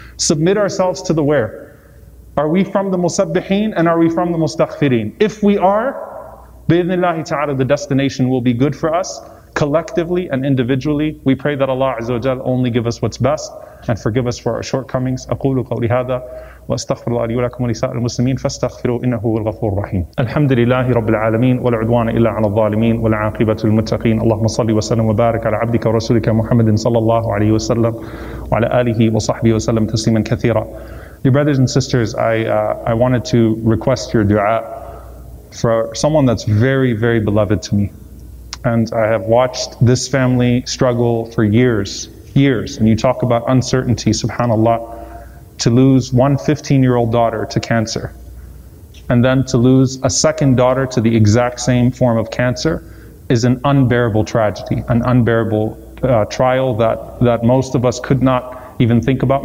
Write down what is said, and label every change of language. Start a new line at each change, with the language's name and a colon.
English: Submit ourselves to the where. Are we from the musabbihin and are we from the mustaghfirin? If we are, bi-idhnillahi ta'ala, the destination will be good for us collectively and individually. We pray that Allah Azza wa Jal only give us what's best and forgive us for our shortcomings.
Arabic: أقول قولي هذا وأستغفر الله لي ولكم ولسائر المسلمين فاستغفروا إنه هو الغفور الرحيم. الحمد لله رب العالمين ولا عدوان إلا على الظالمين والعاقبة للمتقين. اللهم صل وسلم وبارك على عبدك ورسولك محمد صلى الله عليه وسلم وعلى آله وصحبه وسلم تسليما كثيرا.
English: Dear brothers and sisters, I wanted to request your dua for someone that's very, very beloved to me. And I have watched this family struggle for years. And you talk about uncertainty, subhanAllah, to lose one 15-year-old daughter to cancer, and then to lose a second daughter to the exact same form of cancer is an unbearable tragedy, an unbearable trial that most of us could not even think about.